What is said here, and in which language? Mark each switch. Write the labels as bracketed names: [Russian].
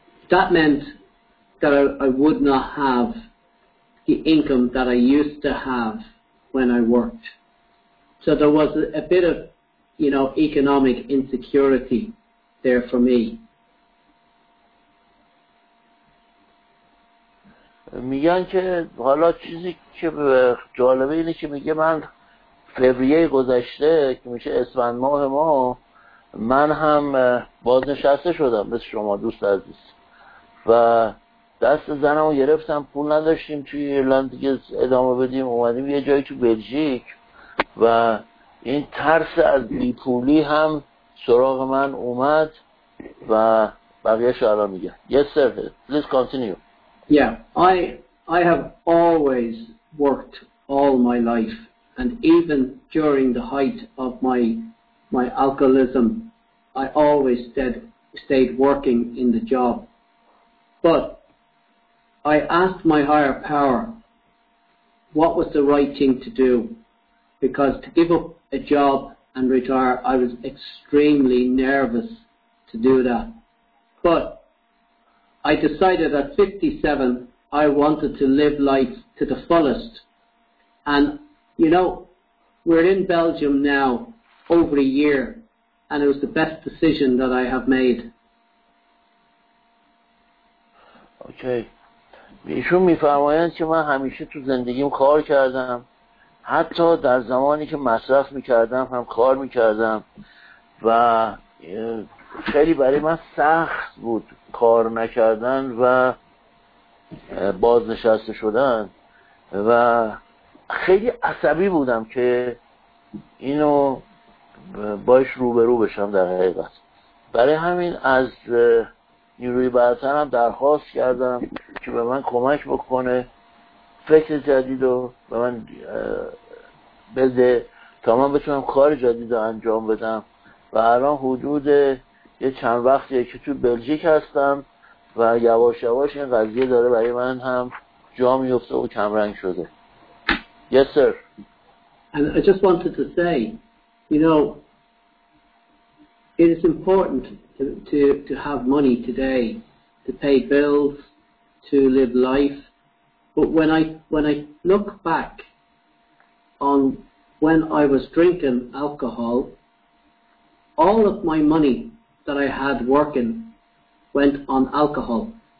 [English] That meant that I would not have the income that I used to have when I worked. So there was a bit of, you know, economic insecurity there for me. [Persian] میگن که حالا چیزی که جالبه اینه که میگه من فوریه گذشته که میشه اسفند ماه ما من هم بازنشسته شدم مثل شما دوست عزیز و دست زنمو گرفتم، پول نداشتیم توی ایرلند دیگه ادامه بدیم، اومدیم یه جایی تو بلژیک و این ترس از بیپولی هم سراغ من اومد و بقیه شعرها میگه. [English] Yes sir, please continue. Yeah, I have always worked all my life and even during the height of my alcoholism I always stayed working in the job. But I asked my higher power what was the right thing to do, because to give up a job and retire, I was extremely nervous to do that. But I decided at 57 I wanted to live life to the fullest. And, you know, we're in Belgium now over a year and it was the best decision that I have made. [Persian] اوکی. ایشون میفرمایند که من همیشه تو زندگیم کار کردم، حتی در زمانی که مصرف میکردم هم کار میکردم و خیلی برای من سخت بود کار نکردن و بازنشسته شدن و خیلی عصبی بودم که اینو باش روبرو بشم. در حقیقت برای همین از نیروی برتر هم درخواست کردم که به من کمک بکنه، فکر جدید رو به من بده تا من بتونم کار جدید رو انجام بدم و الان حدود یه چند وقتیه که تو بلژیک هستم و یواش یواش این قضیه داره برای من هم جا میفته و کمرنگ شده. [English] Yes sir. And I just wanted to say, you know, it is important to have money today to pay bills, to live life. But when I look back on when I was drinking alcohol, all of my money that I had working went on alcohol.